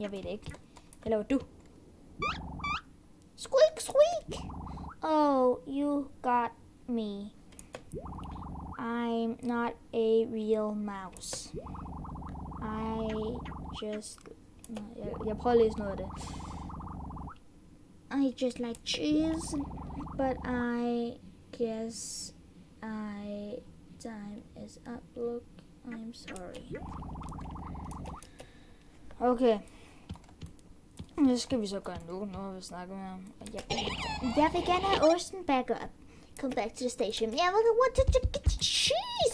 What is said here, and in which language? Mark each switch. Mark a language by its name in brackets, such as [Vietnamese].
[Danish] Jeg ved det ikke. Hvad laver du? Squeak, squeak! [English] Oh, you got me. I'm not a real mouse. I just... [Danish] Jeg prøver at læse noget af det. [English] I just like cheese, but I guess I... Time is up. Look, I'm sorry. [Danish] Okay. Hvad skal vi så gøre nu? Nu har vi snakket med ham. Jeg vil gerne have osten [English] back up. Come back to the station. Yeah, but I want to get the cheese.